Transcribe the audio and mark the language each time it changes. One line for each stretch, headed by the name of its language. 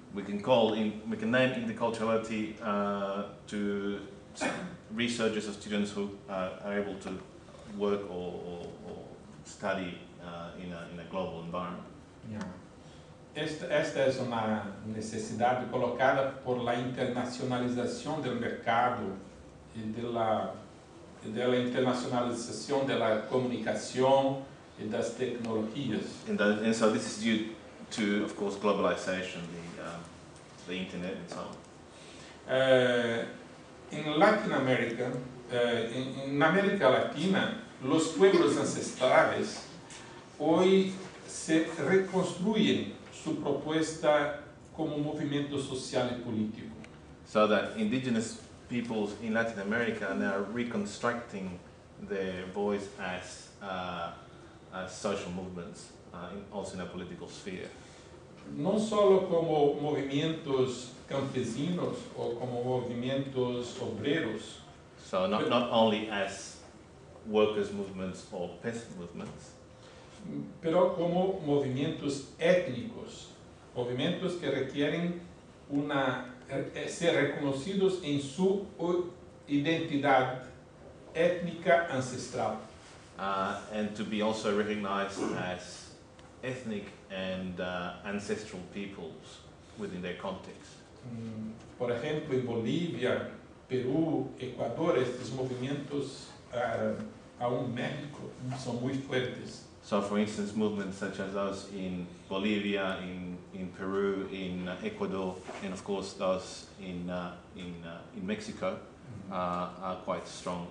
English: We can name interculturality to researchers or students who are able to work or study in a global environment. Yeah.
Spanish: Esta es una necesidad colocada por la internacionalización del mercado y de la internacionalización de la comunicación y de las tecnologías.
English: And so this is due to, of course, globalization, the internet and so on.
Spanish: En Latin America, en América Latina, los pueblos ancestrales hoy se reconstruyen su propuesta como un movimiento social y político.
English: So that indigenous peoples in Latin America are now reconstructing their voice as social movements, also in a political sphere.
Spanish: No solo como movimientos campesinos o como movimientos obreros.
English: So not only as workers' movements or peasant movements.
Spanish: Pero como movimientos étnicos, movimientos que requieren una ser reconocidos en su identidad étnica ancestral.
English: And to be also recognized as ethnic and ancestral peoples within their context.
Spanish: Por ejemplo, en Bolivia, Perú, Ecuador, estos movimientos aún México son muy fuertes.
English: So, for instance, movements such as those in Bolivia, in Peru, in Ecuador, and of course those in Mexico are quite strong.